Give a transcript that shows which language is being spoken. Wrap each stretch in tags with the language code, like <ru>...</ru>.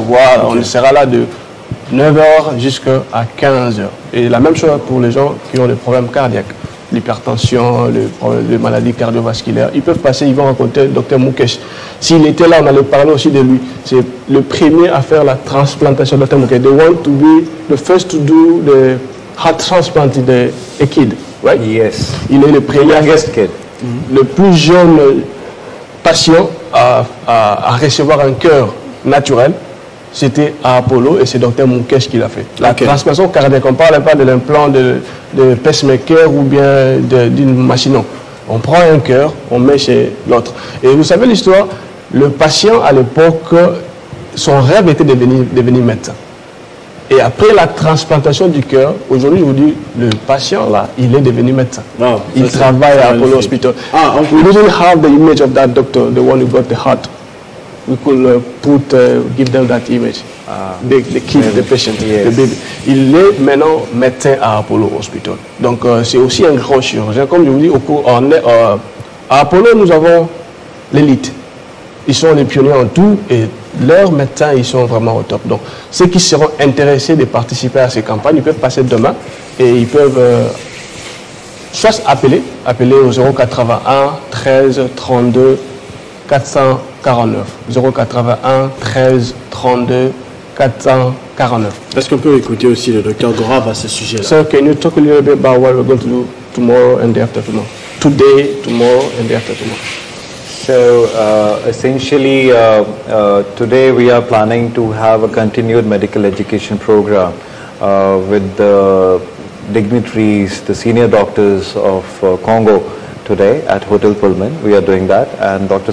<fr>Voilà, okay. On sera là de 9h jusqu'à 15h. Et la même chose pour les gens qui ont des problèmes cardiaques, l'hypertension, les maladies cardiovasculaires. Ils peuvent passer, ils vont rencontrer le docteur Mukesh. S'il était là, on allait parler aussi de lui. C'est le premier à faire la transplantation de Dr Mukesh.</fr> <en>They want to be the first to do the heart transplant de a kid. Right? Yes.</en> <fr>Il est le premier, le plus jeune patient à recevoir un cœur naturel. C'était à Apollo et c'est Dr Mukesh qui l'a fait. La transplantation cardiaque, on ne parle pas de l'implant de pacemaker ou bien d'une machine. Non. On prend un cœur, on met chez l'autre. Et vous savez l'histoire, le patient à l'époque, son rêve était de devenir médecin. Et après la transplantation du cœur, aujourd'hui, je vous dis, le patient, là, il est devenu médecin. Oh, il travaille à Apollo Hospital. Ah,</fr> <en>we didn't have the image of that doctor, the one who got the heart. We could give them that image. Ah, the kid, really? The patient, yes. The baby.</en> <fr>Il est maintenant médecin à Apollo Hospital. Donc, c'est aussi un grand chirurgien. Comme je vous dis, au cours, à Apollo, nous avons l'élite. Ils sont les pionniers en tout et leurs médecins, ils sont vraiment au top. Donc, ceux qui seront intéressés de participer à ces campagnes, ils peuvent passer demain et ils peuvent soit appeler au 081 13 32 449. 081 13 32 449. Est-ce qu'on peut écouter aussi le docteur Gorav à ce sujet-là?</fr> <en>Sir, can you talk a little bit about what we're going to do tomorrow and the after tomorrow? Today, tomorrow and the after tomorrow. So essentially, today we are planning to have a continued medical education program with the dignitaries, the senior doctors of Congo today at Hotel Pullman. We are doing that. And Dr.</en>